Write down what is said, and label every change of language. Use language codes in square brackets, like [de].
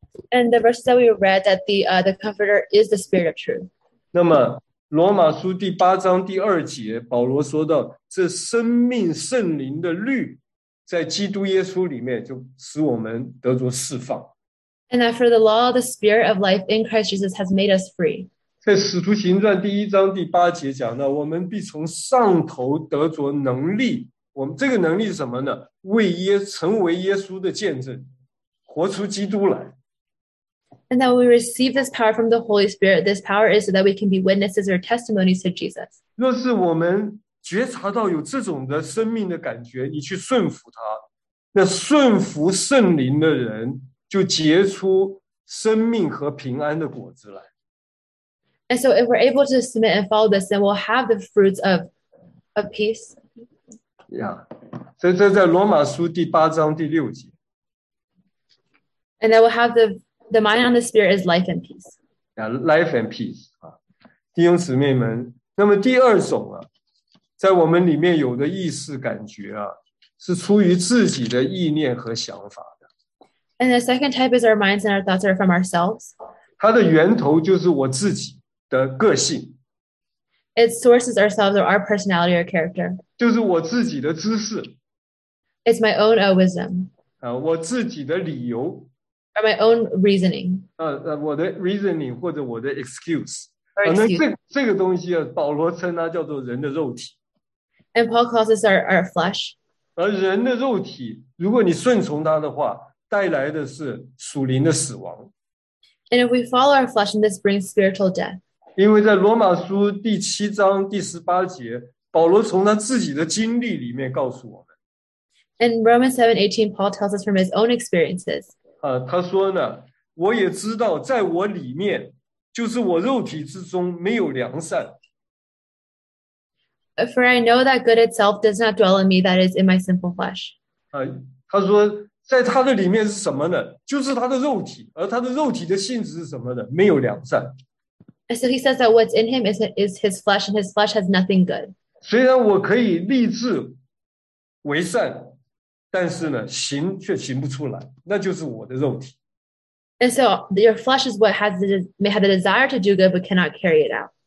[en] And the verse that we read that the Comforter is the Spirit of Truth. [zh] 那么罗马书第八章第二节，保罗说到，这生命圣灵的律在基督耶稣里面就使我们得着释放。 [en] And that for the law, the Spirit of life in Christ Jesus has made us free. [zh] 在使徒行传第一章第八节讲到，我们必从上头得着能力。我们这个能力是什么呢？成为耶稣的见证，活出基督来。 [en] And that we receive this power from the Holy Spirit. This power is so that we can be witnesses or testimonies to Jesus. [zh] 若是我们觉察到有这种的生命的感觉，你去顺服他，那顺服圣灵的人就结出生命和平安的果子来。 [en] And so if we're able to submit and follow this, then we'll have the fruits of peace. Yeah. [zh] 所以这在罗马书第八章第六节。 [en] And that we'll have the mind on the spirit is life and peace. Yeah, life and peace. [zh] 弟兄姊妹们，那么第二种在我们里面有的意识感觉是出于自己的意念和想法的。 [en] And the second type is our minds and our thoughts are from ourselves. [zh] 它的源头就是我自己。的个性。 [en] Its sources ourselves or our personality or character. [zh] 就是我自己的知识。 [en] It's my own wisdom. [zh] 啊，我自己的理由。 [en] Or my own reasoning. [zh] 我的 reasoning 或者我的 excuse。啊，那这个东西啊，保罗称它叫做人的肉体。 [en] And Paul calls this our flesh. [zh] 而人的肉体，如果你顺从它的话，带来的是属灵的死亡。 [en] And if we follow our flesh, this brings spiritual death. [zh] 因为在罗马书第七章第十八节，保罗从他自己的经历里面告诉我们。 [en] In Romans 7:18, Paul tells us from his own experiences. [zh] 他说呢，我也知道，在我里面，就是我肉体之中没有良善。 [en] For I know that good itself does not dwell in me, that is in my sinful flesh. [zh] 他说。在他的里面是什么呢？就是他的肉体，而他的肉体的性质是什么呢？没有良善。 [en] So he says that what's in him is his flesh, and his flesh has nothing good. [zh] 虽然我可以立志为善，但是呢，行却行不出来，那就是我的肉体。 [en] And so your flesh is what has the, may have the desire to do good, but cannot carry it out.